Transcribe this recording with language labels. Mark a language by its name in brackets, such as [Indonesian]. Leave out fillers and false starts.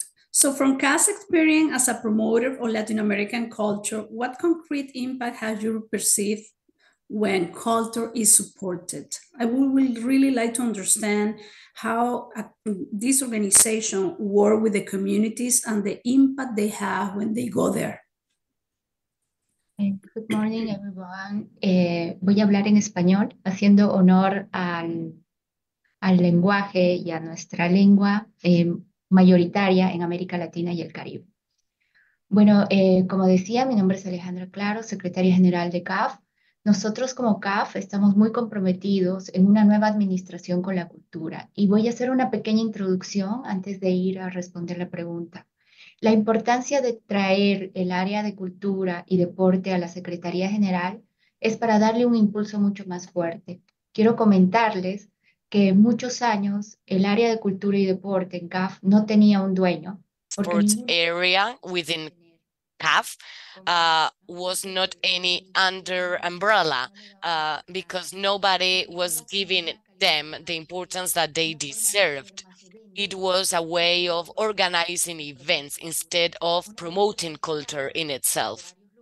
[English] So from CAS experience as a promoter of Latin American culture, what concrete impact have you perceived when culture is supported? I would really like to understand how this organization work with the communities and the impact they have when they go there. Good morning, everyone. [Spanish] Voy a hablar en español, haciendo honor al lenguaje y a nuestra lengua mayoritaria en América Latina y el Caribe. Bueno, como decía, mi nombre es Alejandra Claro, secretaria general de CAF. Nosotros como CAF estamos muy comprometidos en una nueva administración con la cultura. Y voy a hacer una pequeña introducción antes de ir a responder la pregunta. La importancia de traer el área de cultura y deporte a la Secretaría General es para darle un impulso mucho más fuerte. Quiero comentarles que muchos años el área de cultura y deporte en CAF no tenía un dueño. [English] Sports area within CAF was not any under umbrella because nobody was giving them the importance that they deserved. It was a way of organizing events instead of promoting culture in itself.